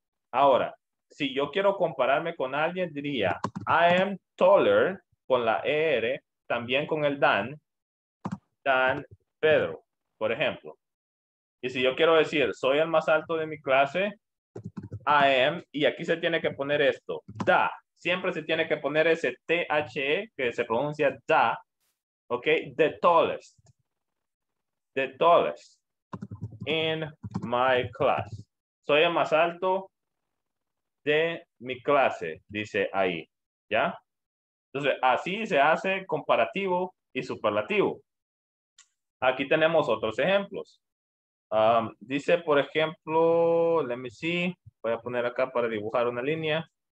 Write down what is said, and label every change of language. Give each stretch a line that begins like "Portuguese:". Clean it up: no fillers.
Spanish: Ahora, si yo quiero compararme con alguien, diría
English: I am taller
Spanish: con la ER, también con el than Pedro, por ejemplo. Y si yo quiero decir soy el más alto de mi clase,
English: I am,
Spanish: y aquí se tiene que poner esto, da. Siempre se tiene que poner ese T-H-E que se pronuncia da.
English: Ok, the tallest in my class.
Spanish: Soy el más alto de mi clase, dice ahí, ¿ya? Entonces, así se hace comparativo y superlativo. Aquí tenemos otros ejemplos. Dice, por ejemplo,
English: let me see,
Spanish: voy a poner acá para dibujar una línea.